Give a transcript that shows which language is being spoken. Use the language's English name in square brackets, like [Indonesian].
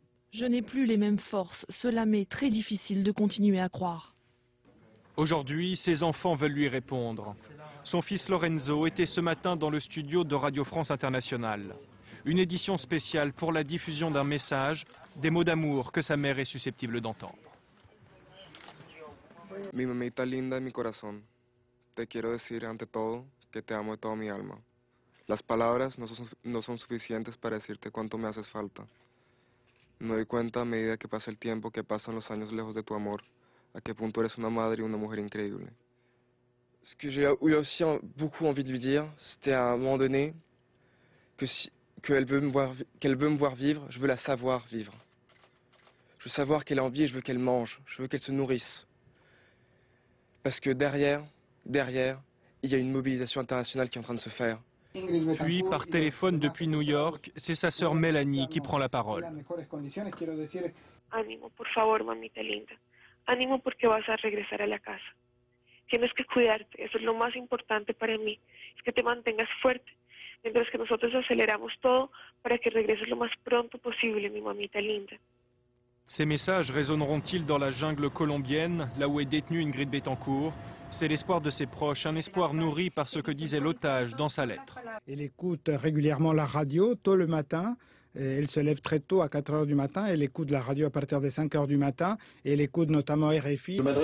[French] Je n'ai plus les mêmes forces, cela m'est très difficile de continuer à croire. Aujourd'hui, ses enfants veulent lui répondre. Son fils Lorenzo était ce matin dans le studio de Radio France Internationale. Une édition spéciale pour la diffusion d'un message, des mots d'amour que sa mère est susceptible d'entendre. [Spanish] Mi mamita linda y mi corazón, te quiero decir ante todo que te amo de toda mi alma. Las palabras no son suficientes para decirte cuánto me haces falta. Me doy cuenta a medida que pasa el tiempo, que pasan los años lejos de tu amor, a qué punto eres una madre y una mujer increíble. [French] Ce que j'ai eu aussi beaucoup envie de lui dire, c'était à un moment donné que si, qu'elle veut me voir vivre, je veux la savoir vivre. Je veux savoir qu'elle a envie et je veux qu'elle mange, je veux qu'elle se nourrisse. Parce que derrière, il y a une mobilisation internationale qui est en train de se faire. Puis, par téléphone depuis New York, c'est sa sœur Mélanie qui prend la parole. [Spanish] Animo, por favor, mamita linda. Animo porque vas a regresar a la casa. Tienes que cuidarte, eso es lo más importante para mí. Es que te mantengas fuerte, mientras que nosotros aceleramos todo para que regreses lo más pronto posible, mi mamita linda. [French] Ces messages résonneront-ils dans la jungle colombienne, là où est détenue Ingrid Betancourt? C'est l'espoir de ses proches, un espoir nourri par ce que disait l'otage dans sa lettre. Elle écoute régulièrement la radio tôt le matin. Elle se lève très tôt à 4h du matin. Elle écoute la radio à partir des 5h du matin. Et elle écoute notamment RFI.